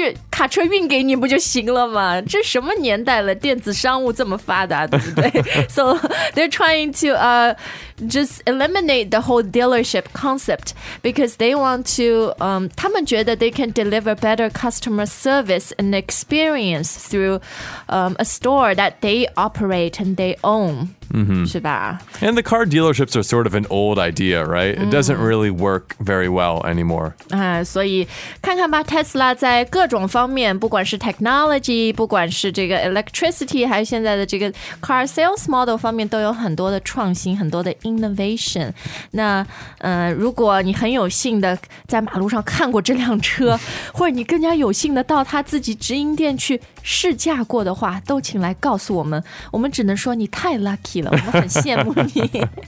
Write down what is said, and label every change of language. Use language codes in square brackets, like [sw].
[zh] 卡车运给你不就行了吗?这什么年代了? 电子商务这么发达,对不对? [en] So they're trying to just eliminate the whole dealership concept because they want to, [zh] 他们觉得 [en] they can deliver better customer service and experience through a store that they operate and they own. [zh] 是吧? [en] And the car dealerships are sort of an old idea, right? It doesn't really work very well anymore. [zh] 所以看看吧, Tesla在各种方面, 不管是technology, 不管是这个electricity, 还有现在的这个car sales model方面, 都有很多的创新, 很多的innovation. 那如果你很有幸的, 在马路上看过这辆车, 或者你更加有幸的到他自己直营店去, 试驾过的话, 都请来告诉我们, 我们只能说你太lucky了, 我们很羡慕你。